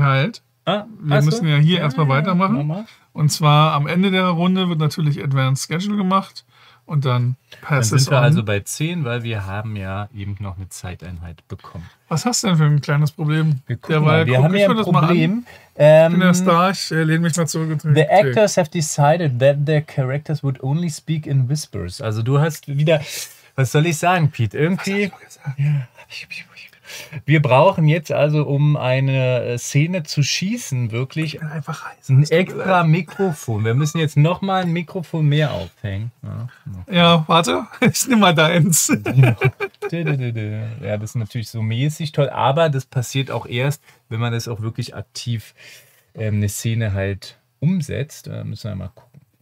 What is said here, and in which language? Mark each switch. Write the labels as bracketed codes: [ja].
[de] Halt. Wir müssen ja hier erstmal weitermachen. Und zwar am Ende der Runde wird natürlich Advanced Schedule gemacht und dann Passes. Dann sind wir also bei 10, weil wir haben ja eben noch eine Zeiteinheit bekommen. Was hast du denn für ein kleines Problem? Lehne mich mal zurück. [en] The actors have decided that their characters would only speak in whispers. [de] Also du hast wieder, was soll ich sagen, Pete? Irgendwie... Was hast du gesagt? Ja. Wir brauchen jetzt also, um eine Szene zu schießen, wirklich einfach heiß, ein extra gesagt. Mikrofon. Wir müssen jetzt noch mal ein Mikrofon mehr aufhängen. Ja, warte, ich nehme mal deins. Ja, das ist natürlich so mäßig toll, aber das passiert auch erst, wenn man das auch wirklich aktiv eine Szene halt umsetzt. Da müssen wir mal gucken.